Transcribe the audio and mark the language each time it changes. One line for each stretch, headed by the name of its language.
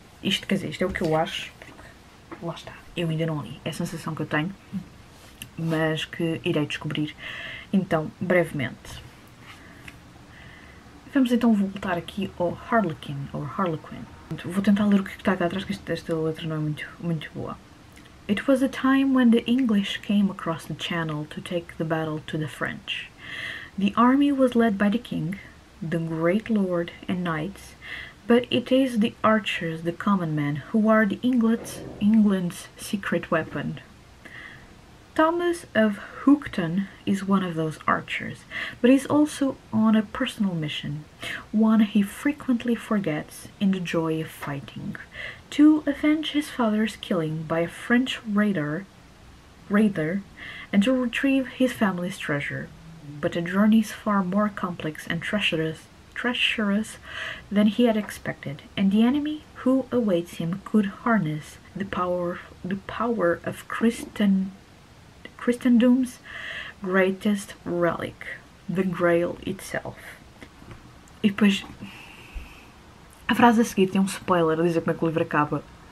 Portuguese: Isto, quer dizer, isto é o que eu acho, porque lá está, eu ainda não li. É a sensação que eu tenho, mas que irei descobrir então brevemente. Vamos então voltar aqui ao Harlequin, ou Harlequin. Vou tentar ler o que está cá atrás, que esta letra não é muito, muito boa.
English: It was a time when the English came across the Channel to take the battle to the French. The army was led by the king, the great lord, and knights, but it is the archers, the common men, who are the England's secret weapon. Thomas of Houghton is one of those archers, but he's also on a personal mission, one he frequently forgets in the joy of fighting. To avenge his father's killing by a French raider, and to retrieve his family's treasure. But the journey's far more complex and treacherous than he had expected, and the enemy who awaits him could harness the power of Christendom's greatest relic, the Grail itself.
Portuguese: E depois, a frase a seguir tem um spoiler a dizer como é que o livro acaba.